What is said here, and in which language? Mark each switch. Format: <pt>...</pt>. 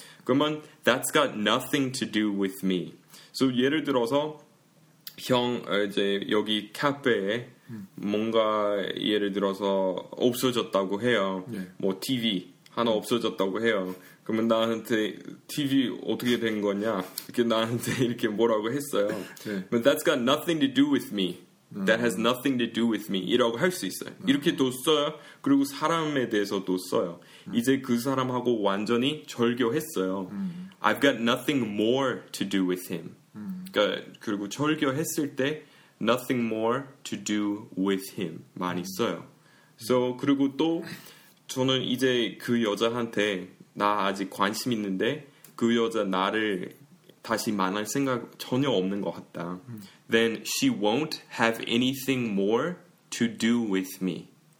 <ko>그러면</ko> <en>that's got nothing to do with me.</en> <ko>So 예를 들어서 형 이제 여기 카페에 뭔가 예를 들어서 없어졌다고 해요. 뭐 TV 하나 없어졌다고 해요. 그러면 나한테 TV 어떻게 된 거냐? 이렇게 나한테 이렇게 뭐라고 했어요. 네.</ko> <en>But that's got nothing to do with me. That has nothing to do with me.</en> <ko>이라고 할 수 있어요. 이렇게도 써요. 그리고 사람에 대해서도 써요. 이제 그 사람하고 완전히 절교했어요.</ko> <en>I've got nothing more to do with him.</en> <ko>그러니까 그리고 절교했을 때</ko> <en>nothing more to do with him</en> <ko>많이 써요. So 그리고 또 저는 이제 그 여자한테 나 아직 관심 있는데 그 여자 나를 다시 만날 생각 전혀 없는 것 같다.</ko> <en>Then she won't have anything more to do with me.</en>